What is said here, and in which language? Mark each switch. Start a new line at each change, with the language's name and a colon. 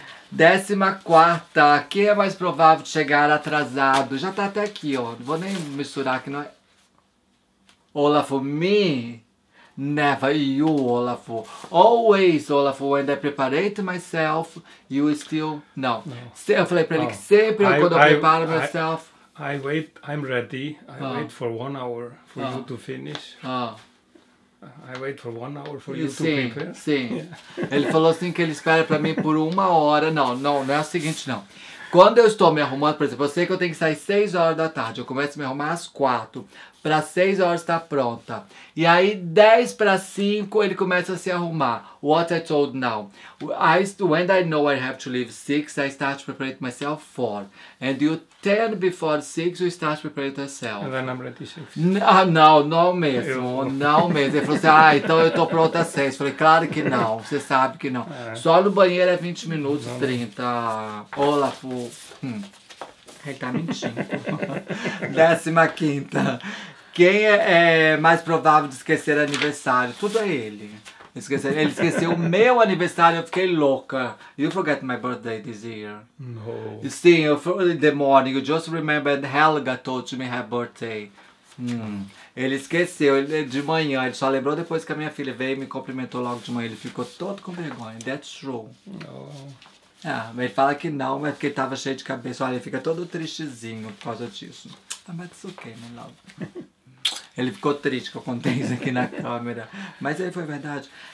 Portuguese: Décima quarta, quem é mais provável de chegar atrasado? Já tá até aqui, ó. Não vou nem misturar que não é.
English: Olaf, me? Never you, Olaf. Always, Olaf, when I preparate myself, you still... Não.
Portuguese: Eu falei pra ele que sempre quando eu preparo myself...
English: I wait, I'm ready. I wait for 1 hour for you to finish. I wait for 1 hour for you to prepare.
Portuguese: Sim, sim. Yeah. Ele falou assim que ele espera pra mim por 1 hora. Não, não, não é o seguinte, não. Quando eu estou me arrumando, por exemplo, eu sei que eu tenho que sair 6 horas da tarde. Eu começo a me arrumar às 4. Para 6 horas está pronta. E aí, 10 para 5, ele começa a se arrumar.
English: What I told now. When I know I have to leave 6, I start to prepare myself 4. And you 10 before 6, you start to prepare yourself. And then I'm ready 6.
Portuguese: Não mesmo. Ele falou assim, ah, então eu tô pronta 6. Falei, claro que não, você sabe que não. Só no banheiro é 20 minutos, 30. Olaf. Ele tá mentindo. 15ª. Quem é mais provável de esquecer aniversário? Tudo é ele. Ele esqueceu o meu aniversário, eu fiquei louca.
English: You forget my birthday this year? No. Sim, in the morning. You just remembered Helga told me her birthday.
Portuguese: Ele esqueceu de manhã, ele só lembrou depois que a minha filha veio e me cumprimentou logo de manhã. Ele ficou todo com vergonha.
English: That's true. No.
Portuguese: Ah, ele fala que não, mas porque ele tava cheio de cabeça. Olha, ele fica todo tristezinho por causa disso. Ah, mas
English: it's okay, my love.
Portuguese: Ele ficou triste que eu contei isso aqui na câmera. Mas aí foi verdade.